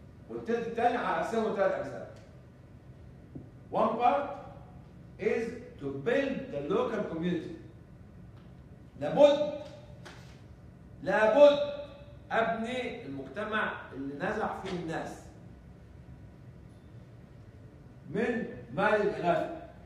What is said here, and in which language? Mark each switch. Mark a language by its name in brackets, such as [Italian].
[Arabic] والتلت الثاني هقسمه ثلاث أجزاء. [English] One part is to build the local community. [Arabic] لابد أبني المجتمع اللي نزع فيه الناس من مال الإغاثة.